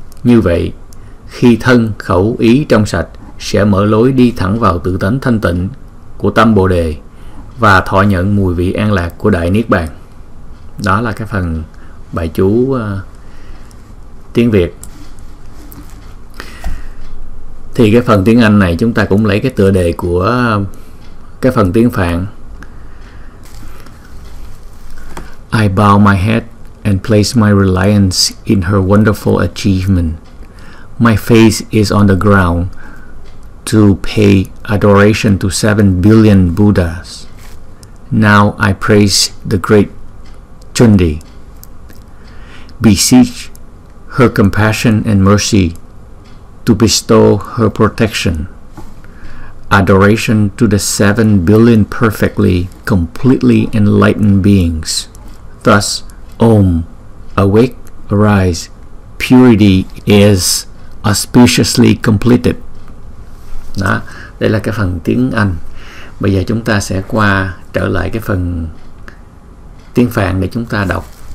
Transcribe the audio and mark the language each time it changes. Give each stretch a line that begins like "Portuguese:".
Vietnamese: Như vậy, khi thân khẩu ý trong sạch sẽ mở lối đi thẳng vào tự tánh thanh tịnh của tâm Bồ Đề và thọ nhận mùi vị an lạc của đại niết bàn. Đó là cái phần bài chú tiếng Việt. Thì cái phần tiếng Anh này chúng ta cũng lấy cái tựa đề của cái phần tiếng Phạn.
English: I bow my head and place my reliance in her wonderful achievement. My face is on the ground to pay adoration to 7 billion Buddhas. Now I praise the great Chundi, beseech her compassion and mercy to bestow her protection. Adoration to the 7 billion perfectly, completely enlightened beings. Thus, Om, awake, arise, purity is auspiciously completed.
Vietnamese: Đó, đây là cái phần tiếng Anh. Bây giờ chúng ta sẽ qua trở lại cái phần tiếng Phạn để chúng ta đọc.